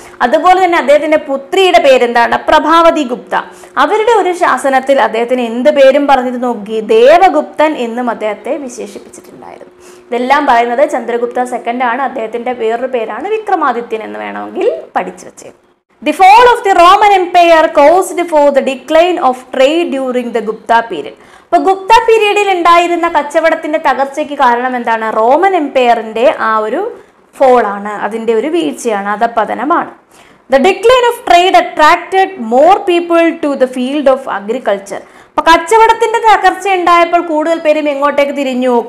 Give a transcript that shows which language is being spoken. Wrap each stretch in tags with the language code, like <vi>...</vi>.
<ml>അതുപോലെ തന്നെ അദ്ദേഹത്തിന്റെ പുത്രിയുടെ പേരെന്താണ്, പ്രഭാവതി ഗുപ്ത. അവരുടെ ഒരു ശാസനത്തിൽ അദ്ദേഹത്തിന് എന്ത് പേരും പറഞ്ഞിരുന്നു, ദേവഗുപ്തൻ എന്നും അദ്ദേഹത്തെ വിശേഷിപ്പിച്ചിട്ടുണ്ടായിരുന്നു. ഇതെല്ലാം പറയുന്നത് ചന്ദ്രഗുപ്ത സെക്കൻഡ് ആണ്. അദ്ദേഹത്തിന്റെ വേറൊരു പേരാണ് വിക്രമാദിത്യൻ എന്ന് വേണമെങ്കിൽ പഠിച്ചു വെച്ചേ.</ml> <en>The fall of the Roman Empire caused for the decline of trade during the Gupta period.</en> <ml>അപ്പൊ ഗുപ്ത പീരീഡിൽ ഉണ്ടായിരുന്ന കച്ചവടത്തിന്റെ തകർച്ചയ്ക്ക് കാരണം എന്താണ്? റോമൻ എംപയറിന്റെ ആ ഒരു ഫോളാണ്, അതിന്റെ ഒരു വീഴ്ചയാണ്, അധപതനമാണ്.</ml> <en>The decline of trade attracted more people to the field of agriculture.</en> <ml>അപ്പൊ കച്ചവടത്തിന്റെ തകർച്ച ഉണ്ടായപ്പോൾ കൂടുതൽ പേരും എങ്ങോട്ടേക്ക് തിരിഞ്ഞു?</ml>